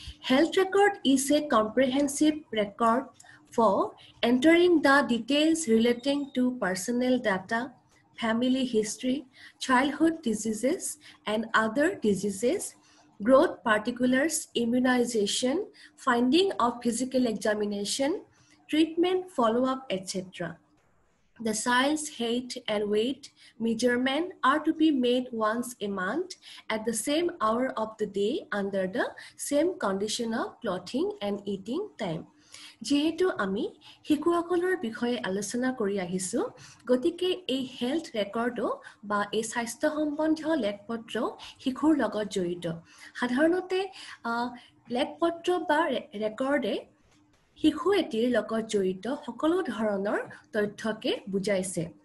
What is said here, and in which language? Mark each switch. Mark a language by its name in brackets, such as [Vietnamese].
[English] Health record is a comprehensive record for entering the details relating to personal data, family history, childhood diseases and other diseases, growth particulars, immunization, finding of physical examination, treatment, follow-up, etc. The child's height and weight measurement are to be made once a month at the same hour of the day under the same condition of clothing and eating time. [Assamese] যিহেতু আমি শিশুসকলৰ বিষয়ে আলোচনা কৰি আহিছোঁ, গতিকে এই health ৰেকৰ্ডো বা এই স্বাস্থ্য সম্বন্ধীয় লেখ পত্ৰ শিশুৰ লগত জড়িত। সাধাৰণতে লেখ পত্ৰ বা ৰেকৰ্ডে শিশু এটিৰ লগত জড়িত সকলো ধৰণৰ তথ্যকে বুজাইছে।